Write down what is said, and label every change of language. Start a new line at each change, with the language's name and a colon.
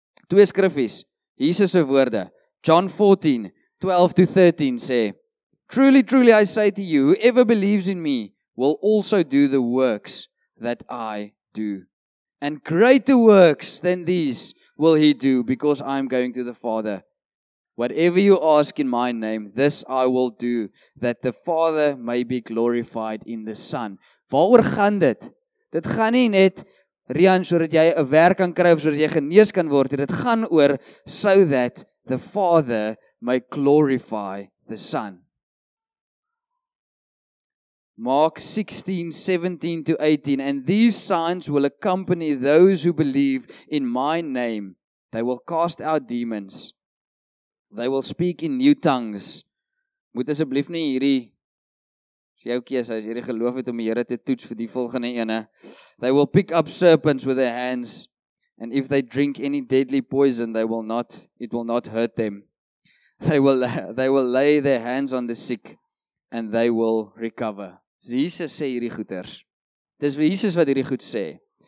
Afrikaans: Twee skriffies, Jesus se woorde,
English: John 14, 12 to 13 sê, truly, truly, I say to you, whoever believes in me, will also do the works that I do. And greater works than these will he do, because I am going to the Father. Whatever you ask in my name, this I will do, that the Father may be glorified in the Son.
Afrikaans: Waaroor gaan dit? Dit gaan nie net, Rian, so dat jy 'n werk kan kry, of so dat jy genees kan word. Dit gaan oor,
English: so that the Father may glorify the Son. Mark 16, 17 to 18, and these signs will accompany those who believe in my name. They will cast out demons. They will speak in new tongues.
Afrikaans: Moet asseblief nie hierdie, is jou kees, as hierdie geloof het om die Here te toets vir die volgende ene.
English: They will pick up serpents with their hands, and if they drink any deadly poison, it will not hurt them. They will lay their hands on the sick, and they will recover.
Afrikaans: Jesus sê hierdie goeters. Dis wie Jesus wat hierdie goed sê.